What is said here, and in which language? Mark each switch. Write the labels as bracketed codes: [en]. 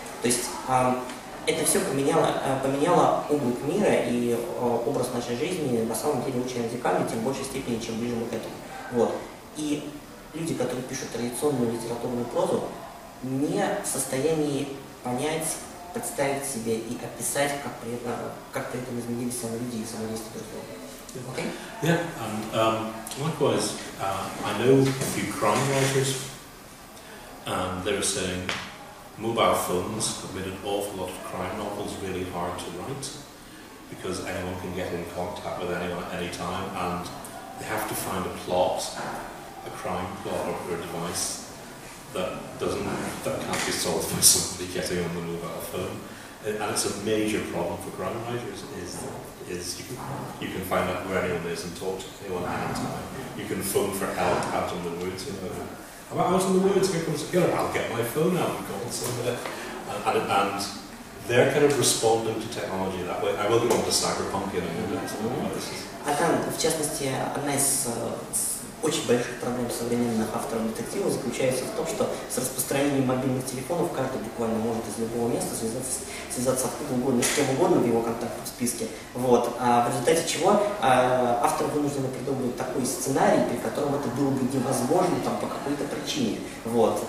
[ru] То есть это все поменяло облик мира и образ нашей жизни на самом деле очень радикально, тем большей степени, чем ближе мы к этому. Вот. И люди, которые пишут традиционную литературную прозу, не в состоянии понять, представить себе и описать, как при этом изменились сами люди и сами действия друг друга. [en] Okay? Yeah, and likewise, I know a few crime writers, and they were saying mobile phones have made an awful lot of crime novels really hard to write, because anyone can get in contact with anyone at any time, and they have to find a plot, a crime plot or a device that can't be solved by somebody getting on the mobile phone. And it's a major problem for crime writers is you can find out where anyone is and talk to anyone at any time. You can phone for help out in the woods, I'm out in the woods, here comes a gun, I'll get my phone out and call somebody. And they're kind of responding to technology that way. I will go on to cyberpunk in a minute. [ru] Очень больших проблем современных авторов детектива заключается в том, что с распространением мобильных телефонов каждый буквально может из любого места связаться откуда угодно, с кем угодно в его контактном списке. Вот. А в результате чего автор вынужден придумывать такой сценарий, при котором это было бы невозможно там, по какой-то причине, вот.